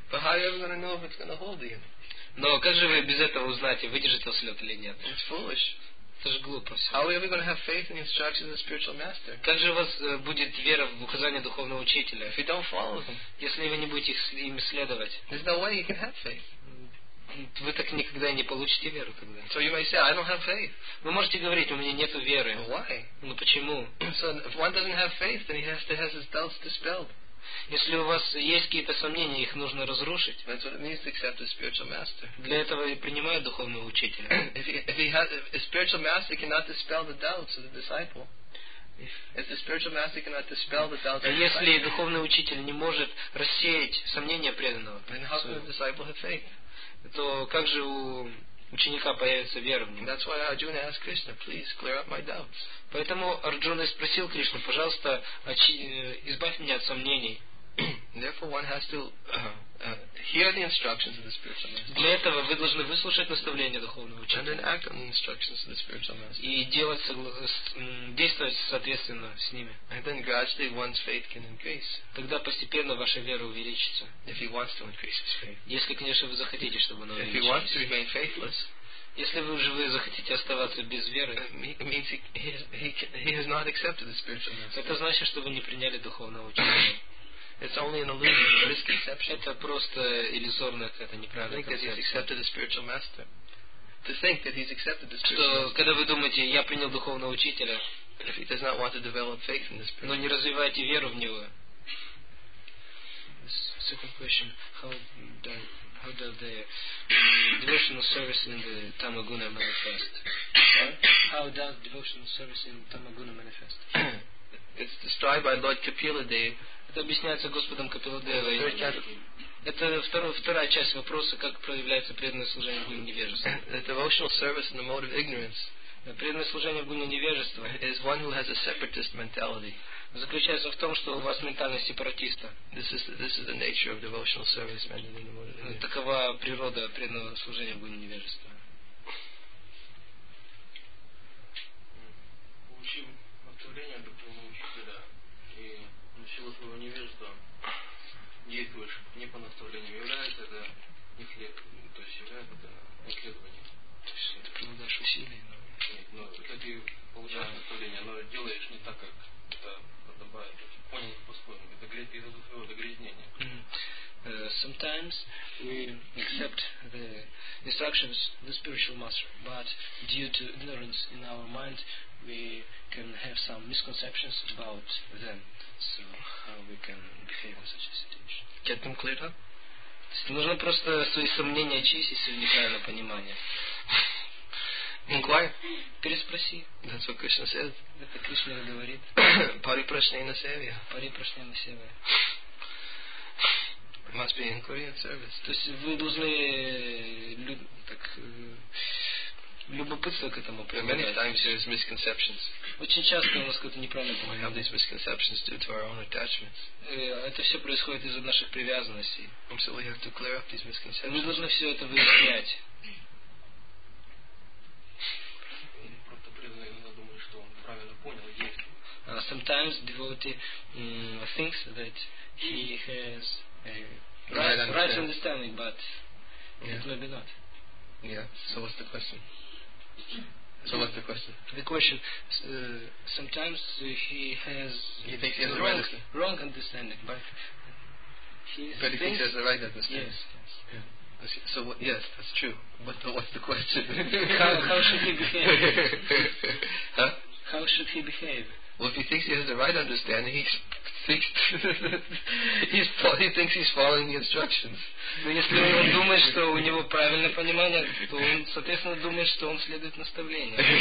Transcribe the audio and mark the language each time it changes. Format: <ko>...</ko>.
<en>But how are you going to know if it's going to hold you?</en> <ru>Но как же вы без этого узнаете, выдержит вас лед или нет?</ru> <en>It's foolish.</en> <ru>Это же глупо.</ru> <en>How are we going to have faith in the instructions of the spiritual master?</en> <ru>Как же у вас будет вера в указания духовного учителя?</ru> <en>If you don't follow them.</en> <ru>Если вы не будете им следовать.</ru> <en>There's no way you can have faith.</en> <ru>Вы так никогда не получите веру тогда.</ru> <en>So you may say, I don't have faith.</en> <ru>Вы можете говорить, у меня нету веры.</ru> <en>Why?</en> <ru>Ну почему?</ru> <en>So if one doesn't have faith, then he has to have his doubts dispelled.</en> <ru>Если у вас есть какие-то сомнения, их нужно разрушить.</ru> <en>That's what it means to accept a spiritual master.</en> <ru>Для этого и принимают духовного учителя.</ru> <en>If a spiritual master cannot dispel the doubts of the disciple. If the spiritual master cannot dispel the doubts of the disciple.</en> <ru>Если духовный учитель не может рассеять сомнения преданного,</ru> <en>then how can the disciple have faith?</en> <ru>То как же у ученика появится вера в нем?</ru> <en>That's why Arjuna asked Krishna, please clear up my doubts.</en> <ru>Поэтому Арджуна спросил Кришну, пожалуйста, избавь меня от сомнений.</ru> <en>Therefore, one has to hear the instructions of the spiritual master.</en> <ru>Для этого вы должны выслушать наставления духовного учителя.</ru> <en>And then act on the instructions of the spiritual master.</en> <ru>И действовать соответственно с ними.</ru> <en>And then gradually one's faith can increase.</en> <ru>Тогда постепенно ваша вера увеличится.</ru> <en>If he wants to increase his faith.</en> <ru>Если, конечно, вы захотите, чтобы она увеличилась.</ru> <en>If he wants to remain faithless.</en> <ru>Если вы уже захотите оставаться без веры,</ru> <en>he has not accepted the spiritual master.</en> <ru>Это значит, что вы не приняли духовного учителя.</ru> <en>It's only an illusion, a misconception.</en> <ru>Это просто иллюзорная какая-то неправильная концепция.</ru> <en>He's accepted the spiritual master. To think that he's accepted the spiritual</en> <ru>что,</ru> <en>master.</en> <ru>Когда вы думаете, я принял духовного учителя,</ru> <en>if he does not want to develop faith in the spiritual,</en> <ru>но не развиваете веру в него.</ru> <en>Second question: how does the devotional service in the Tamaguna manifest? How does devotional service in Tamaguna manifest? It's described by Lord Kapiladeva.</en> <ru>Это объясняется Господом Капиладевой. Это вторая часть вопроса, как проявляется преданное служение в гуне невежества.</ru> <en>The devotional service in the mode of ignorance.</en> <ru>Преданное служение в гуне невежества</ru> <en>is one who has a separatist mentality.</en> <ru>Заключается в том, что у вас ментальность сепаратиста.</ru> <en>This is the nature of devotional service in the mode of ignorance.</en> <ru>Такова природа преданного служения в гуне невежества. Получим отправление от духовного учителя и действуешь не по наставлениям, является это не хлеб, то есть является это исследование. То есть ты прилагаешь усилия, но... Нет, но это ты получаешь наставление, но делаешь не так, как это подобает. Понял по-своему, это из-за своего догрязнения.</ru> <en>Sometimes we accept the instructions of the spiritual master, but due to ignorance in our mind, we can have some misconceptions about them. So how we can behave in such a situation? Get them clear?</en> <ru>Нужно просто свои сомнения очистить, свое неправильное понимание.</ru> <en>Inquire?</en> <ru>Переспроси.</ru> <en>That's what Krishna says.</en> <ru>Это Кришна говорит.</ru> <sa>Парипрашнейна севья. Парипрашнейна севья.</sa> <en>Must be in Korean service.</en> <ru>То есть вы должны так любопытство к этому прибавлять.</ru> <en>Many times there is misconceptions.</en> <ru>Очень часто у нас какое-то неправильное понимание.</ru> <en>We have these misconceptions due to our own attachments.</en> <ru>Это все происходит из-за наших привязанностей.</ru> <en>And so we have to clear up these misconceptions.</en> <ru>Мы должны все это выяснять.</ru> <en>Sometimes devotee thinks that he has right understanding, but it may be not. Yeah. So what's the question? The question: sometimes he has he thinks he has the wrong understanding, but he thinks he has the right understanding. Yes. So yes, that's true. But what's the question? how should he behave? Huh? How should he behave? Well, if he thinks he has the right understanding, he thinks he's following the instructions.</en> <ru>Но если он думает, что у него правильное понимание, то он, соответственно, думает, что он следует наставлениям.</ru>